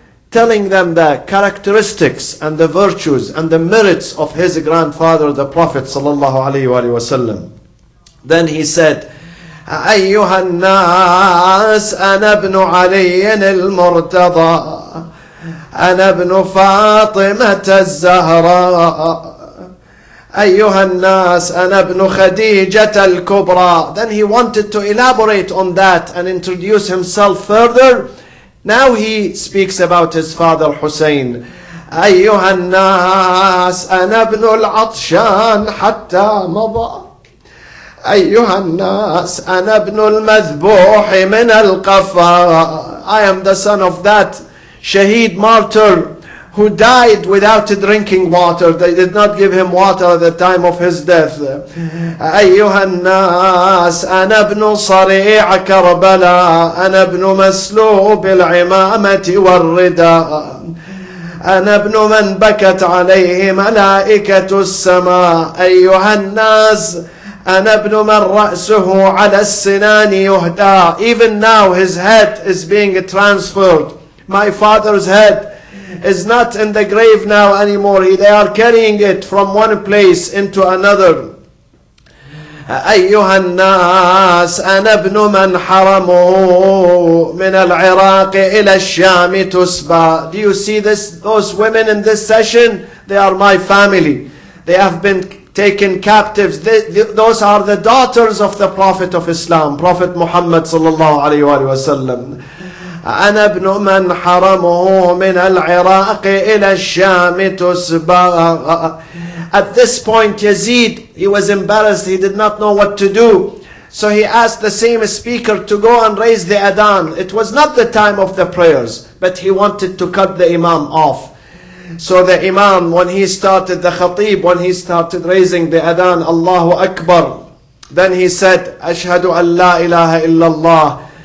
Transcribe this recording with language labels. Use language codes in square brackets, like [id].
[en] telling them the characteristics and the virtues and the merits of his grandfather the Prophet صلى الله عليه وآله وسلم Then he said [ar] أيها الناس أنا ابن علي المرتضى أنا ابن فاطمة الزهراء أيها الناس أنا ابن خديجة الكبرى [en] Then he wanted to elaborate on that and introduce himself further. Now he speaks about his father Hussein. [ar] أيها الناس أنا ابن العطشان حتى مضى أيها الناس أنا ابن المذبوح من القفا [en] I am the son of that Shaheed martyr who died without drinking water. They did not give him water at the time of his death. [ar] أيها الناس أنا ابن صريع كربلاء أنا ابن مسلوب العمامة والرداء أنا ابن من بكت عليه ملائكة السماء أيها الناس أنا ابن من رأسه على السنان يهدى. [en] Even now his head is being transferred. My father's head is not in the grave now anymore. They are carrying it from one place into another. [ar] أيها الناس أنا ابن من حرمه من العراق إلى الشام تسبى. [en] Do you see this? Those women in this session, they are my family. They have been taken captives. Those are the daughters of the Prophet of Islam, Prophet Muhammad صلى الله عليه وآله وسلم. [ar] أنا ابن من حرمه من العراق إلى الشام تسبى. [en] At this point, Yazid, he was embarrassed. He did not know what to do. So he asked the same speaker to go and raise the adhan. It was not the time of the prayers, but he wanted to cut the imam off. So the imam, when he started, the khatib, when he started raising the adhan, Allahu Akbar, then he said, Ashhadu an la ilaha illallah.